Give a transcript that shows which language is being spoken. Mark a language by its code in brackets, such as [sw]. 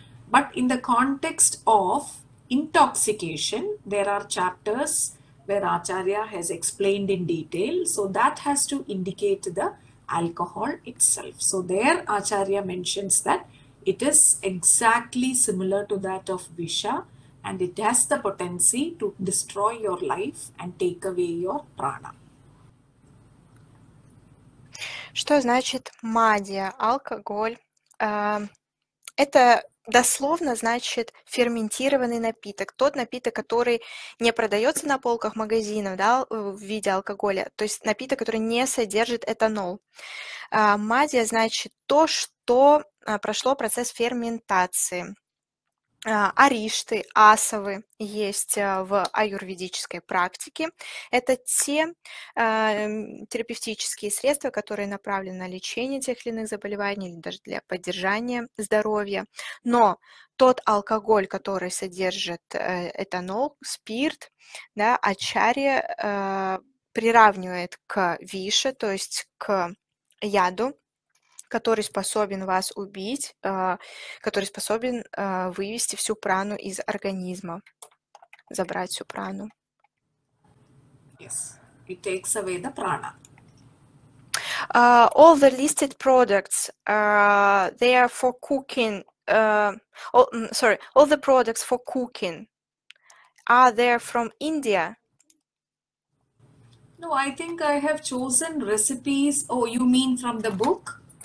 [en] But in the context of intoxication, there are chapters where Acharya has explained in detail, so that has to indicate the alcohol itself. So there Acharya mentions that It is exactly similar to that of Visha, and it has the potency to destroy your life and take away your prana. [ru] Что значит мадия, алкоголь? Это дословно значит ферментированный напиток, тот напиток, который не продается на полках магазинов, да, в виде алкоголя, то есть напиток, который не содержит этанол. Мадия значит то, что прошло процесс ферментации. Аришты, асавы есть в аюрведической практике. Это те терапевтические средства, которые направлены на лечение тех или иных заболеваний или даже для поддержания здоровья. Но тот алкоголь, который содержит этанол, спирт, да, ачария приравнивает к виша, то есть к яду, который способен вас убить, который способен вывести всю прану из организма, забрать всю прану. [en] Yes, it takes away the prana. All the listed products, they are for cooking. All the products for cooking are there from India. No, I think I have chosen recipes. Oh, you mean from the book?